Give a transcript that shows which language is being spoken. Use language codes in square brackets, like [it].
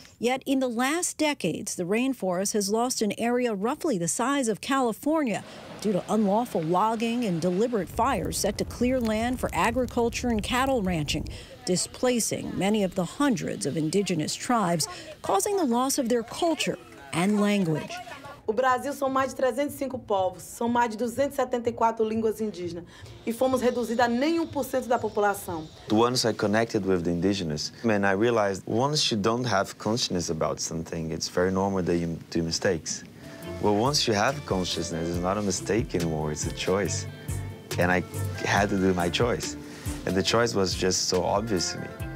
[en] Yet in the last decades, the rainforest has lost an area roughly the size of California due to unlawful logging and deliberate fires set to clear land for agriculture and cattle ranching, displacing many of the hundreds of indigenous tribes, causing the loss of their culture and language. [pt] O Brasil são mais de 305 povos, são mais de 274 línguas indígenas, e fomos reduzidos a nenhum por cento da população. [en] Once I connected with the indigenous, man, I realized once you don't have consciousness about something, it's very normal that you do mistakes. Well, once you have consciousness, it's not a mistake anymore, it's a choice. And I had to do my choice. And the choice was just so obvious to me.